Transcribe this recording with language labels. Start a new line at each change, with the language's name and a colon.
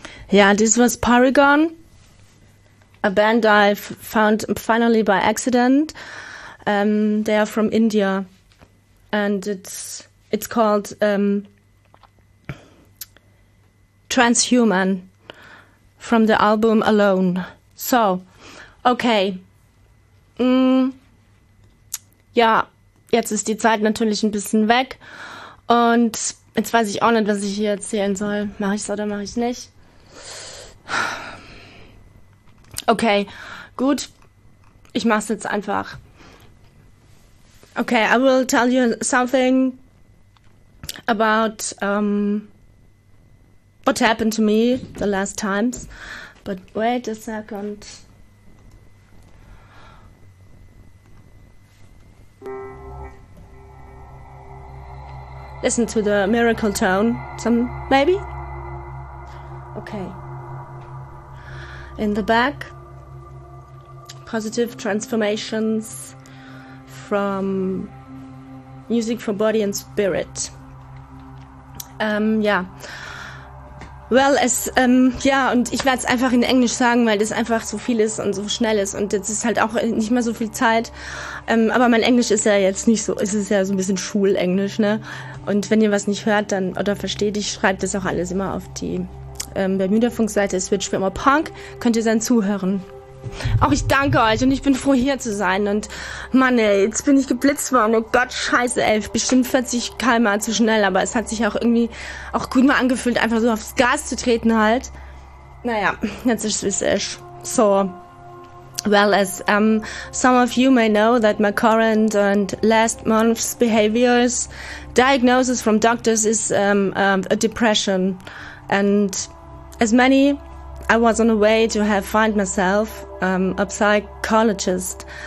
English: Yeah, this was Paragon, a band I found finally by accident. They are from India, and it's called Transhuman from the album Alone. So, okay.
German: Ja, jetzt ist die Zeit natürlich ein bisschen weg. Und jetzt weiß ich auch nicht, was ich hier erzählen soll. Mache ich es oder mache ich es nicht? Okay, gut, ich mach's jetzt einfach.
English: Okay, I will tell you something about what happened to me the last times. But wait a second. Listen to the miracle tone, some maybe? Okay. In the back, positive transformations from music for body and spirit.
German: Und ich werde es einfach in Englisch sagen, weil das einfach so viel ist und so schnell ist und jetzt ist halt auch nicht mehr so viel Zeit. Aber mein Englisch ist ja jetzt nicht so, es ist ja so ein bisschen Schulenglisch, ne? Und wenn ihr was nicht hört, dann oder versteht, ich schreibe das auch alles immer auf die Bermuda-Funkseite, Switch für immer Punk, könnt ihr dann zuhören. Auch ich danke euch und ich bin froh, hier zu sein. Und Mann, ey, jetzt bin ich geblitzt worden. Oh Gott, scheiße, Elf, bestimmt 40 km/h zu schnell. Aber es hat sich auch irgendwie auch gut mal angefühlt, einfach so aufs Gas zu treten halt. Naja, jetzt ist es, wie es ist.
English: So, well, as some of you may know that my current and last month's behaviors diagnosis from doctors is a depression. And as many, I was on a way to have find myself a psychologist.